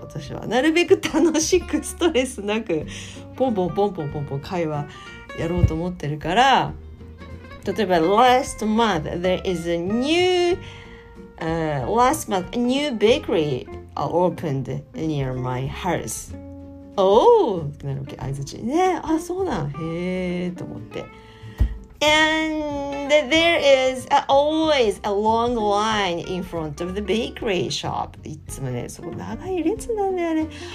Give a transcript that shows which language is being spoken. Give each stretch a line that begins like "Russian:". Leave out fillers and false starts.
Japanese: 私はなるべく楽しくストレスなくポンポンポンポンポンポン会話やろうと思ってるから、例えば
English: Last month there is a newLast month, a new bakery opened near my house. Oh!
Japanese: なるわけ、あいづち。ね、あ、そうなん、へーと思って。
English: And there is always a long line in front of the bakery shop.
Japanese: いつもね、そこ長い列なんだよね。